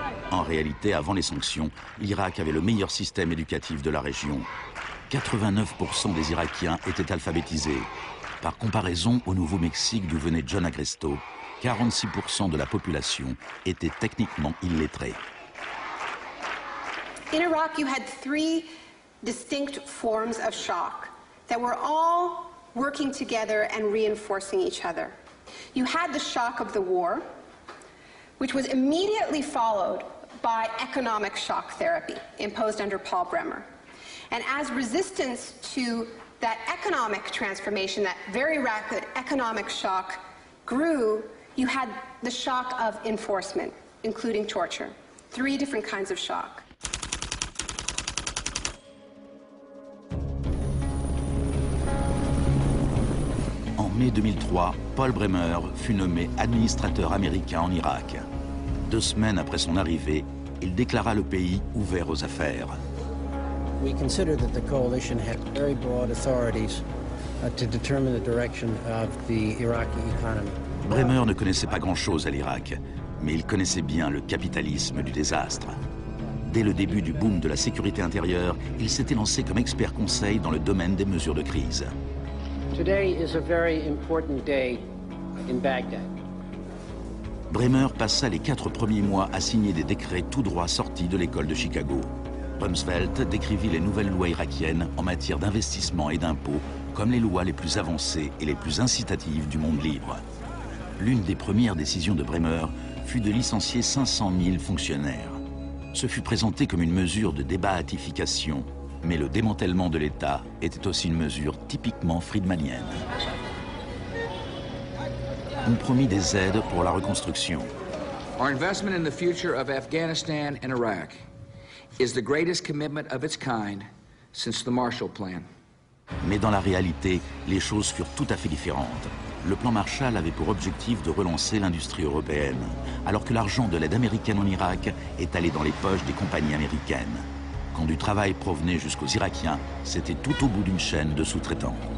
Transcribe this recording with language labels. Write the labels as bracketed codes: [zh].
[fr] En réalité, avant les sanctions, l'Irak avait le meilleur système éducatif de la région. 89% des Irakiens étaient alphabétisés. Par comparaison au Nouveau-Mexique d'où venait John Agresto, 46% de la population était techniquement illettrée. [en] In Iraq, you had three distinct forms of shock that were all working together and reinforcing each other. You had the shock of the war, which was immediately followed by economic shock therapy imposed under Paul Bremer. And as resistance to that economic transformation, that very rapid economic shock grew, you had the shock of enforcement, including torture. Three different kinds of shock. [fr] En mai 2003, Paul Bremer fut nommé administrateur américain en Irak. Deux semaines après son arrivée, il déclara le pays ouvert aux affaires. [en] We considered that the coalition had very broad authorities to determine the direction of the Iraqi economy. [fr] Bremer ne connaissait pas grand-chose à l'Irak, mais il connaissait bien le capitalisme du désastre. Dès le début du boom de la sécurité intérieure, il s'était lancé comme expert conseil dans le domaine des mesures de crise. [en] Today is a very important day in Baghdad. [fr] Bremer passa les quatre premiers mois à signer des décrets tout droit sortis de l'école de Chicago. Rumsfeld décrivit les nouvelles lois irakiennes en matière d'investissement et d'impôts comme les lois les plus avancées et les plus incitatives du monde libre. L'une des premières décisions de Bremer fut de licencier 500 000 fonctionnaires. Ce fut présenté comme une mesure de débatification, mais le démantèlement de l'État était aussi une mesure typiquement friedmanienne. On promit des aides pour la reconstruction. [en] Our investment in the future of Afghanistan and Iraq is the greatest commitment of its kind since the Marshall Plan. [fr] Mais dans la réalité, les choses furent tout à fait différentes. Le plan Marshall avait pour objectif de relancer l'industrie européenne, alors que l'argent de l'aide américaine en Irak est allé dans les poches des compagnies américaines. Quand du travail provenait jusqu'aux Irakiens, c'était tout au bout d'une chaîne de sous-traitants.